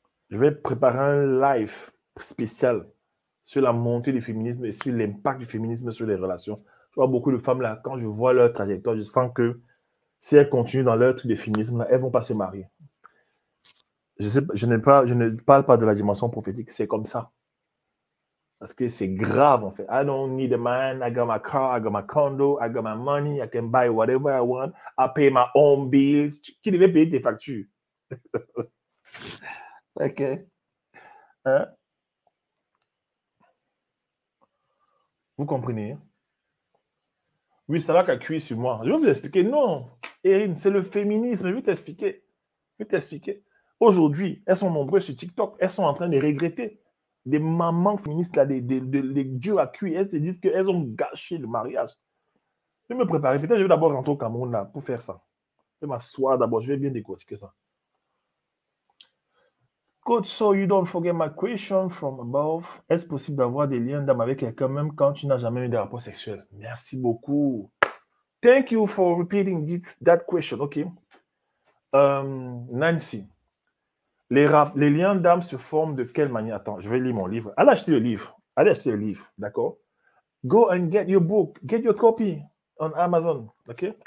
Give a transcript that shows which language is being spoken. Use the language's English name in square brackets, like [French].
[French] Je vais préparer un live spécial sur la montée du féminisme et sur l'impact du féminisme sur les relations. Je vois beaucoup de femmes, là, quand je vois leur trajectoire, je sens que si elles continuent dans leur truc de féminisme, là, elles ne vont pas se marier. Je ne parle pas de la dimension prophétique, c'est comme ça. Parce que c'est grave, en fait. [English] I don't need a man, I got my car, I got my condo, I got my money, I can buy whatever I want, I pay my own bills. [French] Qui devait payer tes factures? OK. Hein? Vous comprenez? Oui, ça va qu'à cuire sur moi. Je vais vous expliquer. Non, Erin, c'est le féminisme. Je vais t'expliquer. Aujourd'hui, elles sont nombreuses sur TikTok. Elles sont en train de regretter. Des mamans féministes, là, des dieux à cuire, elles se disent qu'elles ont gâché le mariage. Je vais me préparer. Peut-être que je vais d'abord rentrer au Cameroun là, pour faire ça. Je vais m'asseoir d'abord. Je vais bien décortiquer ça. [English] Coach, so you don't forget my question from above. [French] Est-ce possible d'avoir des liens d'âme avec quelqu'un même quand tu n'as jamais eu de rapport sexuel? Merci beaucoup. [English] Thank you for repeating that question. OK. Nancy. [French] Les liens d'âme se forment de quelle manière? Attends, je vais lire mon livre. Allez acheter le livre, d'accord? [English] Go and get your book, get your copy on Amazon, OK?